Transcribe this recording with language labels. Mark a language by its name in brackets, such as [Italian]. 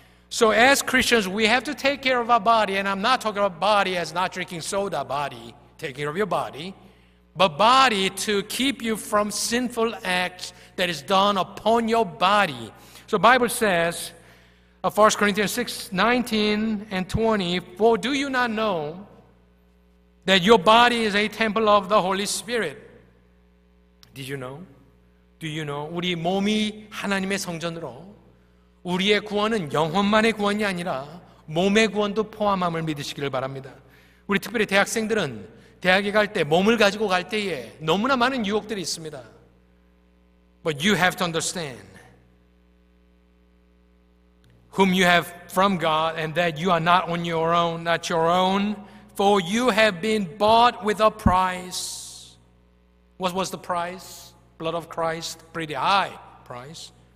[English] So as Christians, we have to take care of our body, and I'm not talking about body as not drinking soda, body, take care of your body, but body to keep you from sinful acts that is done upon your body. So Bible says, 1 Corinthians 6:19 and 20, for do you not know that your body is a temple of the Holy Spirit? Did you know? Do you know? [Korean] 우리 몸이 하나님의 성전으로 우리의 구원은 영혼만의 구원이 아니라 몸의 구원도 포함함을 믿으시기를 바랍니다. 우리 특별히 대학생들은 대학에 갈 때 몸을 가지고 갈 때에 너무나 많은 유혹들이 있습니다. [English] But you have to understand whom you have from God and that you are not on your own, not your own. For you have been bought with a price. What was the price? Blood of Christ, pretty high price.